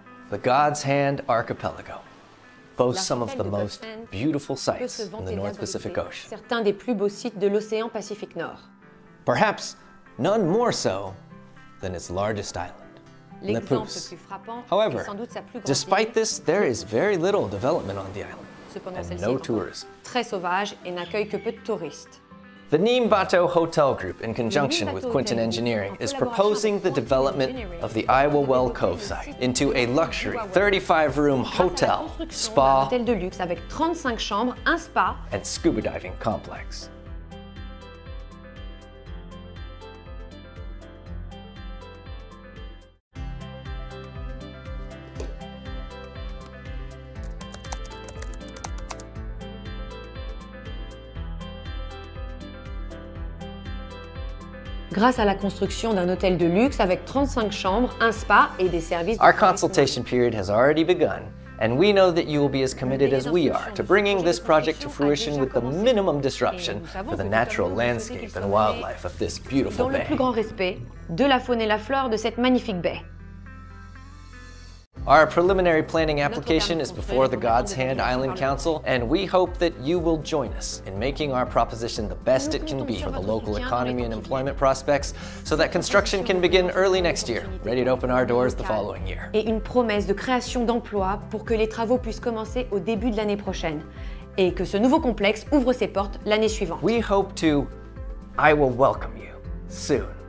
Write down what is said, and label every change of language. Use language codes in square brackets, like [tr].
[en] The God's Hand Archipelago boasts some of the most beautiful sites in the North Pacific Ocean. [fr] Certains des plus beaux sites de l'océan Pacifique Nord. [en] Perhaps none more so than its largest island, Lepus. However, despite this, there is very little development on the island. [fr] Cependant, celle-ci est très sauvage et n'accueille que peu de touristes. [en] The Neem Bato Hotel Group, in conjunction with Quinton Engineering, is proposing the development of the Iowa Well Cove site into a luxury 35-room hotel, spa, and scuba diving complex. [fr] Grâce à la construction d'un hôtel de luxe avec 35 chambres, un spa et des services... [en] Our consultation period has already begun, and we know that you will be as committed as we are to bringing this project to fruition with the minimum disruption for the natural landscape and wildlife of this beautiful bay. [fr] Dans le plus grand respect de la faune et la flore de cette magnifique baie. [en] Our preliminary planning application is before the God's Hand Island Council, and we hope that you will join us in making our proposition the best it can be for the local economy and employment prospects, so that construction can begin early next year, ready to open our doors the following year. [fr] Et une promesse de création d'emplois pour que les travaux puissent commencer au début de l'année prochaine, et que ce nouveau complexe ouvre ses portes l'année suivante. [en] We hope to, I will welcome you soon.